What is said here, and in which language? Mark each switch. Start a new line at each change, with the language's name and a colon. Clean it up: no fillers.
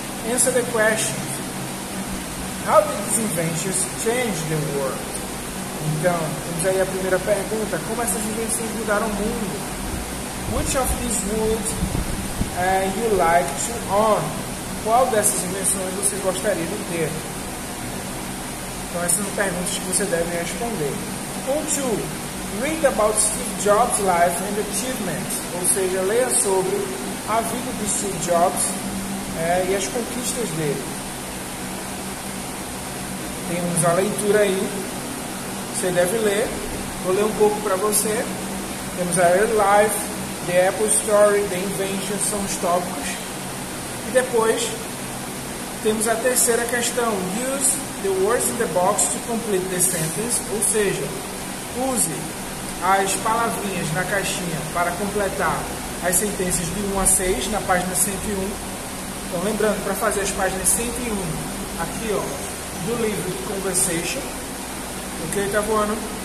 English: Answer the questions. How did these inventions change the world?
Portuguese: Então, temos aí a primeira pergunta. Como essas invenções mudaram o mundo?
English: Which of these would you like to own?
Portuguese: Qual dessas invenções você gostaria de ter? Então, essas são perguntas que você deve responder. Ponto 2.
English: Read about Steve Jobs' life and achievements.
Portuguese: Ou seja, leia sobre a vida de Steve Jobs e as conquistas dele. Temos a leitura aí. Você deve ler, vou ler um pouco para você. Temos a Early Life, The Apple Story, The Invention, são os tópicos. E depois, temos a terceira questão.
English: Use the words in the box to complete the sentence.
Portuguese: Ou seja, use as palavrinhas na caixinha para completar as sentenças de 1 a 6 na página 101. Então, lembrando, para fazer as páginas 101, aqui ó, do livro Conversation. Ok, tá voando.